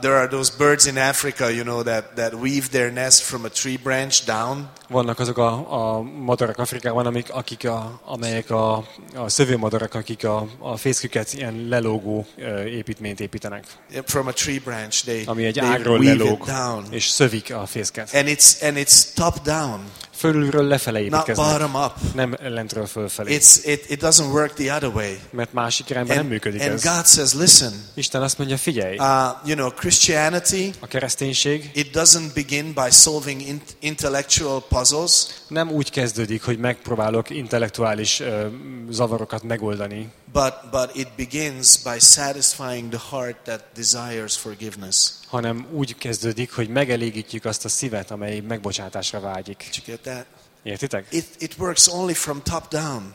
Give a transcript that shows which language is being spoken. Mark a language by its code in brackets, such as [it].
[en] there are those birds in Africa, you know, that weave their nest from a tree branch down. [hu] Vannak azok a madarak Afrikában, amelyek a szövőmadarak, akik a fészküket ilyen lelógó építményt építenek. [en] From a tree branch, [hu] ami egy ágról lelóg, és szövik a fészket. [en] And it's top down. [hu] Fölülről lefelé építkeznek. [en] Not bottom up. [hu] Nem lentről fölfelé. [en] It doesn't work the other way. [hu] Mert másik irányban nem működik ez. [en] And God says, listen. [hu] Isten azt mondja, figyelj. [en] You know, Christianity. [hu] A kereszténység. [en] It doesn't begin by solving intellectual puzzles. [hu] Nem úgy kezdődik, hogy megpróbálok intellektuális zavarokat megoldani. [en] But it begins by satisfying the heart that desires forgiveness. [hu] Hanem úgy kezdődik, hogy megelégítjük azt a szívet, amely megbocsátásra vágyik. Értitek? [en] It works only from top down.